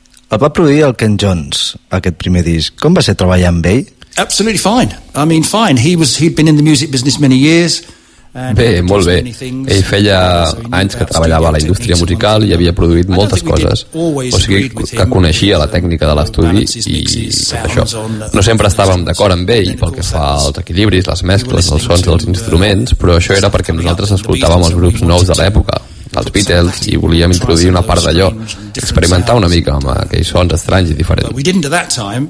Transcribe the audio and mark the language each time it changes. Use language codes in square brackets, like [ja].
[ca] El va produir el Ken Jones, aquest primer disc. Com va ser treballar amb ell? [en] Absolutely fine. I mean, fine. He'd been in the music business many years. [ca] Bé, molt bé. Ell feia anys que treballava a la indústria musical i havia produït moltes coses. O sigui, que coneixia la tècnica de l'estudi i tot això. No sempre estàvem d'acord amb ell pel que fa als equilibris, les mescles, els sons dels instruments, però això era perquè nosaltres escoltàvem els grups nous de l'època, els Beatles, i volíem introduir una part d'allò, experimentar una mica amb aquells sons estranys i diferents.